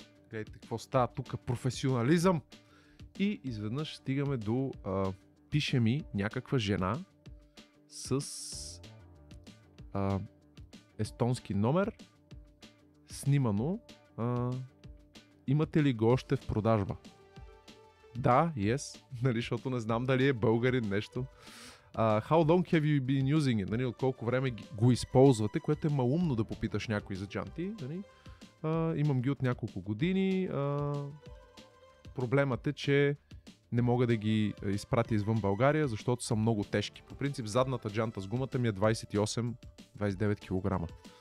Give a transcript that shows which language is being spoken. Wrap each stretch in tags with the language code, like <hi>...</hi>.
<bg>гледайте какво става тук, професионализъм, и изведнъж стигаме до пише ми някаква жена с естонски номер, снимано, имате ли го още в продажба? Да,</bg> <en>yes,</en> <bg>защото не знам дали е българин нещо.</bg> <en>How long have you been using it?</en> <bg>От колко време го използвате, което е малумно да попиташ някой за джанти. Имам ги от няколко години. Проблемът е, че не мога да ги изпрати извън България, защото са много тежки. По принцип задната джанта с гумата ми е 28-29 кг.</bg>